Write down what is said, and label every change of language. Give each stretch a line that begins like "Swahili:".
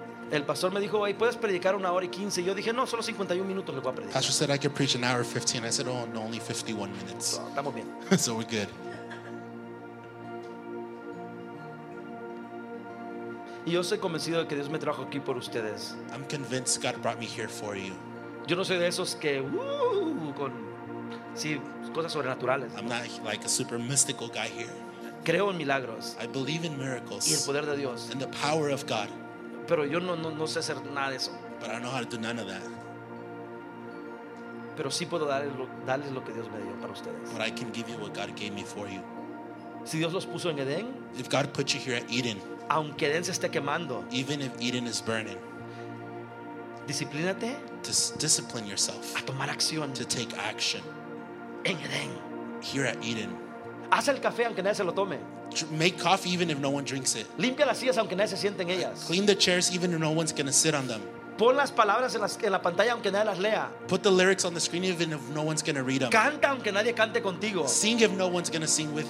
Spanish: El pastor me dijo, ay, ¿puedes predicar una hora y 15? Yo dije, no, solo 51 minutos le voy a predicar.
English: Pastor said I could preach an hour 15. I said, oh, no, only 51 minutes.
Spanish: So, estamos bien.
English: So we're good.
Spanish: Y yo soy convencido de que Dios me trajo aquí por ustedes.
English: I'm convinced God brought me here for you.
Spanish: Yo no soy de esos que, con, sí, cosas sobrenaturales.
English: I'm not like a super mystical guy here.
Spanish: Creo en milagros.
English: I believe in miracles.
Spanish: Y el poder de Dios.
English: And the power of God.
Spanish: Pero yo no sé hacer nada de eso.
English: But I don't know how to do none of that.
Spanish: Pero sí puedo darles lo que Dios me dio para ustedes.
English: But I can give you what God gave me for you.
Spanish: Si Dios los puso en Edén,
English: if God put you here at Eden,
Spanish: aunque Edén se esté quemando,
English: even if Eden is burning,
Spanish: disciplínate,
English: discipline yourself,
Spanish: a tomar acción,
English: to take action,
Spanish: en Edén,
English: here at Eden.
Spanish: Haz el café aunque nadie se lo tome.
English: Make coffee even if no one drinks it.
Spanish: Limpia las sillas aunque nadie se siente en ellas.
English: Clean the chairs even if no one's going to sit on them.
Spanish: Pon las palabras en la pantalla aunque nadie las lea.
English: Put the lyrics on the screen even if no one's going to read them.
Spanish: Canta aunque nadie cante contigo.
English: Sing if no one's going to sing with